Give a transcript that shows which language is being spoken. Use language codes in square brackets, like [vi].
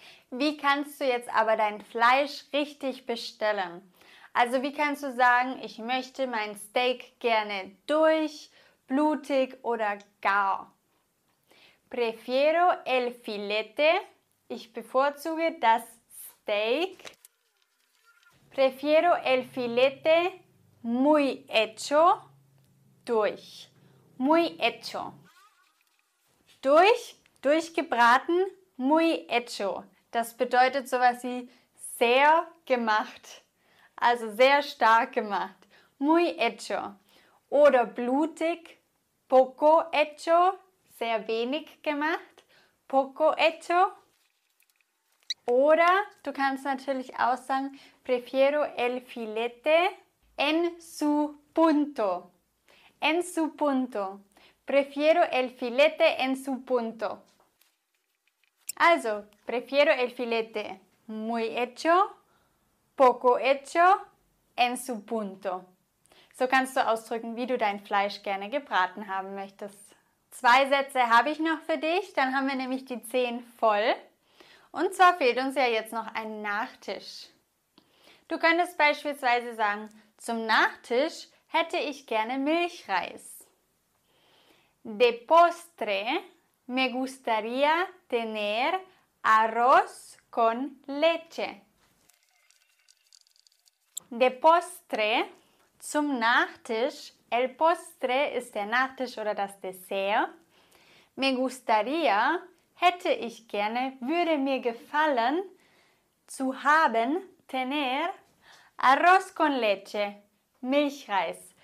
[de] Wie kannst du jetzt aber dein Fleisch richtig bestellen? Also wie kannst du sagen, ich möchte mein Steak gerne durch, blutig oder gar? [es] Prefiero el filete. [de] Ich bevorzuge das Steak. [es] Prefiero el filete muy hecho. Durch. Muy hecho. [de] Durch, durchgebraten, [es] muy hecho. [de] Das bedeutet sowas wie sehr gemacht. Also sehr stark gemacht. [es] Muy hecho. [de] Oder blutig, [es] poco hecho, [de] sehr wenig gemacht, poco hecho. Oder du kannst natürlich auch sagen, [es] prefiero el filete en su punto. En su punto. Prefiero el filete en su punto. Also, prefiero el filete muy hecho, poco hecho, en su punto. [de] So kannst du ausdrücken, wie du dein Fleisch gerne gebraten haben möchtest. Zwei Sätze habe ich noch für dich, dann haben wir nämlich die 10 voll. Und zwar fehlt uns ja jetzt noch ein Nachtisch. Du könntest beispielsweise sagen, zum Nachtisch hätte ich gerne Milchreis. [es] De postre me gustaría tener arroz con leche. De postre, [de] zum Nachtisch. [es] El postre [de] ist der Nachtisch oder das Dessert. [es] Me gustaría, [de] hätte ich gerne, würde mir gefallen, zu haben, [es] tener, arroz con leche, [de] Milchreis.